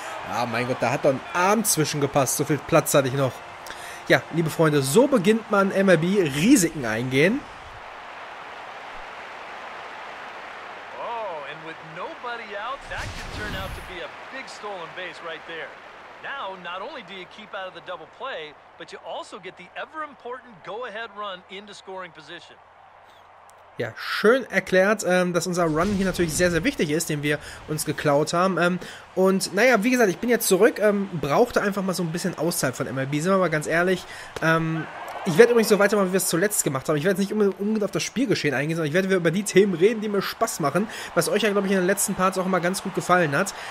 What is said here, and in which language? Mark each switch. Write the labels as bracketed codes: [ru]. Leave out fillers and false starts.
[de] Ah, mein Gott, da hat doch ein Arm zwischengepasst. So viel Platz hatte ich noch. Ja, liebe Freunde, so beginnt man MLB, Risiken eingehen. [en] Oh, and with nobody out, that could turn out to be a big stolen base right there. Now, not only do you keep out of the double play, but you also get the ever important go-ahead run into scoring position. [de] Ja, schön erklärt, dass unser Run hier natürlich sehr, sehr wichtig ist, den wir uns geklaut haben. Und naja, wie gesagt, ich bin jetzt zurück, brauchte einfach mal so ein bisschen Auszeit von MLB, sind wir mal ganz ehrlich. Ich werde übrigens so weitermachen, wie wir es zuletzt gemacht haben. Ich werde jetzt nicht unbedingt auf das Spielgeschehen eingehen, sondern ich werde über die Themen reden, die mir Spaß machen, was euch ja, glaube ich, in den letzten Parts auch immer ganz gut gefallen hat.